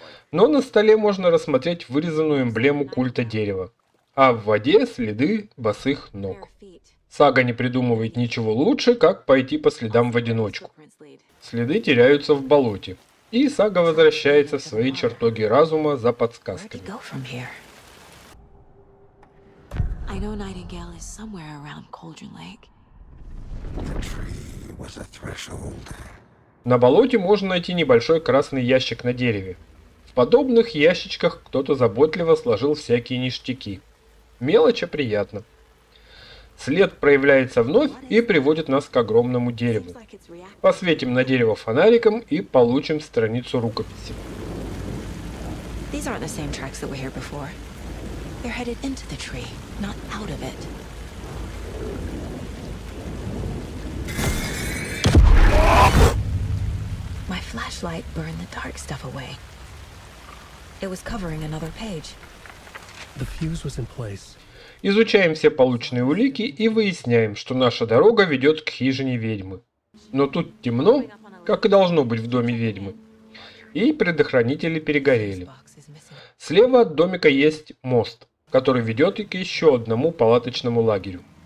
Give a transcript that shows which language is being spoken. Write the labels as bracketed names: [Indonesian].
[Russian] Но на столе можно рассмотреть вырезанную эмблему культа дерева. А в воде следы босых ног. Сага не придумывает ничего лучше, как пойти по следам в одиночку. Следы теряются в болоте. И Сага возвращается в свои чертоги разума за подсказками. [English] I know Nightingale is somewhere around Cauldron Lake. The tree was a threshold. [Russian] На болоте можно найти небольшой красный ящик на дереве. В подобных ящичках кто-то заботливо сложил всякие ништяки. Мелочи приятно. След проявляется вновь и приводит нас к огромному дереву. Посветим на дерево фонариком и получим страницу рукописи. [English] These aren't the same tracks that were here before. They're headed into the tree, not out of it. My flashlight burned the dark stuff away. It was covering another page. The fuse was in place. [Russian] Изучаем все полученные улики и выясняем, что наша дорога ведет к хижине ведьмы. Но тут темно, как и должно быть в доме ведьмы. И предохранители перегорели. Слева от домика есть мост, который ведет и к еще одному палаточному лагерю.